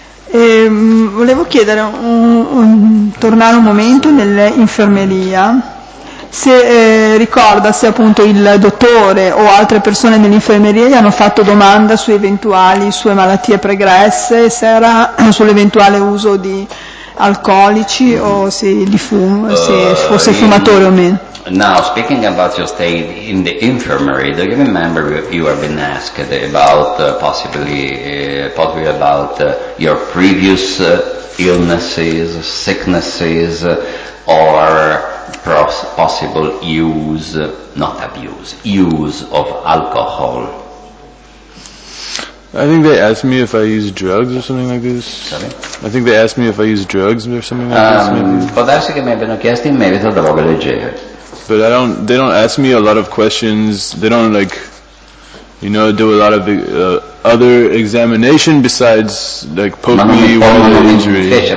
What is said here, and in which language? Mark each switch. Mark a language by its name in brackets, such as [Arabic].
[Italian] Volevo chiedere, tornare un momento nell'infermeria, se ricorda se appunto il dottore o altre persone nell'infermeria gli hanno fatto domanda su eventuali sue malattie pregresse, se era sull'eventuale uso di alcolici o se di fumo, se fosse fumatore o meno. [English] Now, speaking about your stay in the infirmary, do you remember you have been asked about possibly about your previous illnesses, sicknesses, or possible use, not abuse, use of alcohol? I think they asked me if I use drugs or something like this. Sorry? I think they asked me if I use drugs or something like this, maybe. [Italian] Potersi che mi abbiano chiesto in merito a droghe leggere. [English] But I don't. They don't ask me a lot of questions. They don't like, you know, do a lot of other examination besides like poke me while the injury.